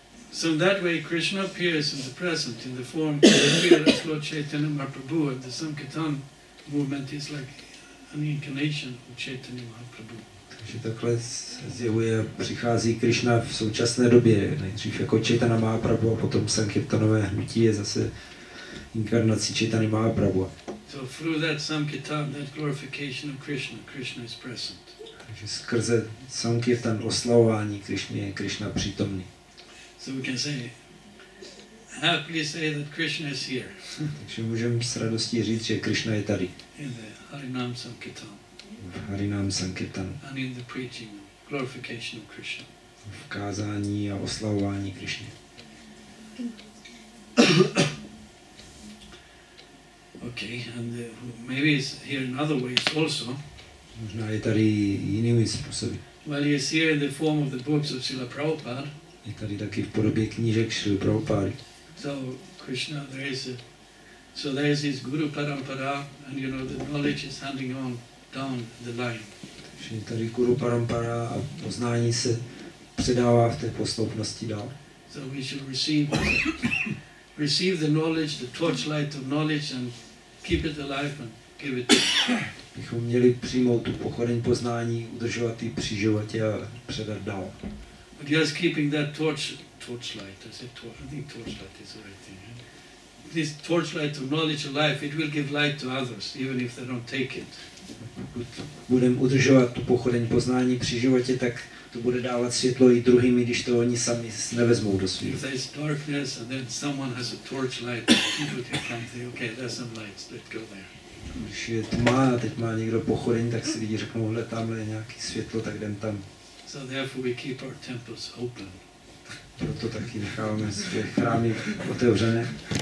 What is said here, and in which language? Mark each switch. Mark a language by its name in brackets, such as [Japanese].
[English] So in that way Krishna appears in the present, in the form of the fearless Lord Chaitanya Mahaprabhu, and the Sankirtan movement is like an incarnation of Chaitanya Mahaprabhu. [Czech] Takže takhle se zjevuje, přichází Krishna v současné době, nejdřív jako Chaitanya Mahaprabhu a potom Sankirtanové hnutí je zase inkarnací Chaitanya Mahaprabhu. [English] So through that Sankirtan, that glorification of Krishna, Krishna is present. [Czech] Takže skrze Sankirtan oslavování Krishny je Krishna přítomný. [English] So we can say, happily say that Krishna is here. [Czech] Takže můžeme s radostí říct, že Krishna je tady. [English] In the Harinam Sankirtan. [Czech] Harinam Sankirtan. [English] And in the preaching, glorification of Krishna. [Czech] V kázání a oslavování Krishny. [English] Okay, and maybe he's here in other ways also. [Czech] Možná je tady jinými způsoby. [English] Well, he is here in the form of the books of Srila Prabhupada. [Czech] Je tady taky v podobě knížek Srila Prabhupada. [English] So Krishna, there is his Guru Parampara, and you know the knowledge is handing on down the line. [Czech] Takže je tady Guru Parampara a poznání se předává v té posloupnosti dál. [English] So we should receive the knowledge, the torchlight of knowledge, and keep it alive and give it. [Czech] Bychom měli přijmout tu pochodeň poznání, udržovat ji při životě a předat dál. [English] But just keeping that torchlight, I think torchlight is the right thing. Right? This torchlight of knowledge alive, it will give light to others, even if they don't take it. [Czech] Pokud budeme udržovat tu pochodeň poznání při životě, tak to bude dávat světlo i druhým, když to oni sami nevezmou do svýho. [English] If there's darkness and then someone has a torch light, people can come and say, okay, there's some lights, let's go there. [Czech] Když je tma a teď má někdo pochodeň, tak si lidi řeknou, hle, tamhle je nějaké světlo, tak jdem tam. [English] So therefore we keep our temples open. [Czech] Proto taky necháváme své chrámy otevřené.